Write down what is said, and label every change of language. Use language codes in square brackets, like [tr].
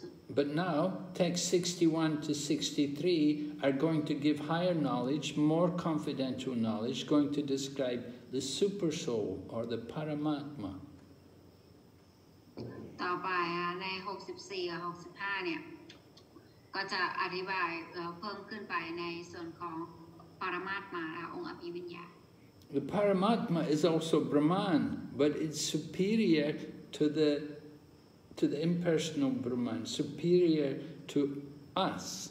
[en] But now, text 61 to 63 are going to give higher knowledge, more confidential knowledge, going to describeThe super soul or the Paramatma. [th] ต่อไปใน64 65เนี่ยก็จะอธิบายเพิ่มขึ้นไปในส่วนของ Paramatma องค์อภิวิญญา [en] The Paramatma is also Brahman, but it's superior to the impersonal Brahman, superior to us.